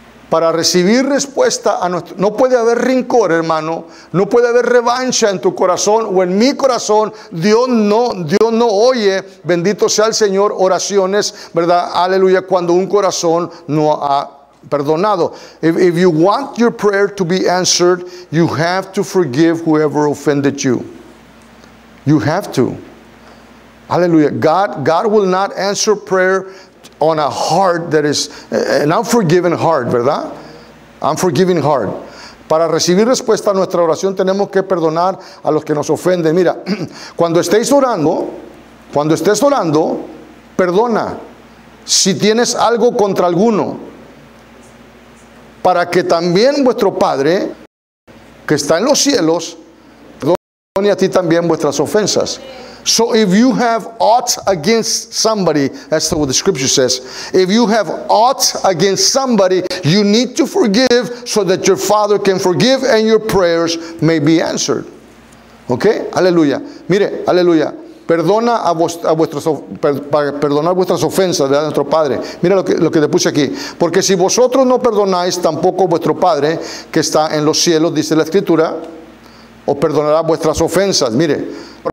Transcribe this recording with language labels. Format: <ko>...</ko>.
<es>Para recibir respuesta a nuestro... No puede haber rencor, hermano. No puede haber revancha en tu corazón o en mi corazón. Dios no oye, bendito sea el Señor, oraciones, ¿verdad? Aleluya, cuando un corazón no ha perdonado.</es> <en>If you want your prayer to be answered, you have to forgive whoever offended you. You have to.</en> <es>Aleluya.</es> <en>God will not answer prayer on a heart that is an unforgiving heart,</en> <es>¿verdad?</es> <en>Unforgiving heart.</en> <es>Para recibir respuesta a nuestra oración, tenemos que perdonar a los que nos ofenden. Mira, cuando estés orando, perdona si tienes algo contra alguno, para que también vuestro Padre, que está en los cielos, perdone a ti también vuestras ofensas.</es> <en>So if you have aught against somebody, that's what the scripture says. If you have aught against somebody, you need to forgive so that your Father can forgive and your prayers may be answered. Okay?</en> <es>Aleluya. Mire, aleluya. Perdona para perdonar vuestras ofensas, ¿verdad?, nuestro Padre. Mira lo que te puse aquí. Porque si vosotros no perdonáis, tampoco vuestro Padre que está en los cielos, dice la Escritura, os perdonará vuestras ofensas. Mire.</es>